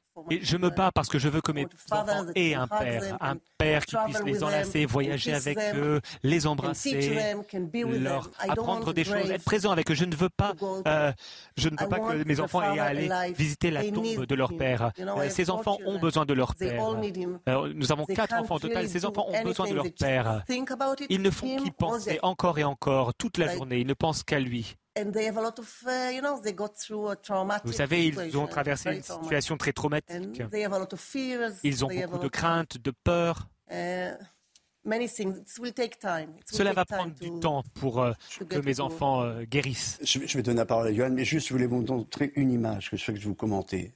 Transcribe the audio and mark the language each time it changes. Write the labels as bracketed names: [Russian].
[French] Et je me bats parce que je veux que mes enfants aient un père qui puisse les enlacer, voyager avec eux, les embrasser, leur apprendre des choses, être présent avec eux. Je ne veux pas que mes enfants aient à aller visiter la tombe de leur père. Ces enfants ont besoin de leur père. Nous avons 4 enfants au total, ces enfants ont besoin de leur père. Ils ne font qu'y penser encore et encore, toute la journée, ils ne pensent qu'à lui. [English] And they have a lot of, you know, they got through a traumatic. [French] Vous savez, ils ont traversé une situation très traumatique. [English] And they have a lot of fears. [French] Ils ont beaucoup de craintes, de peurs. [English] Many things. It will take time. [French] Cela va prendre du temps pour que mes enfants guérissent. Je vais donner la parole à Yoann, mais juste, je voulais vous montrer une image que je souhaite vous commenter.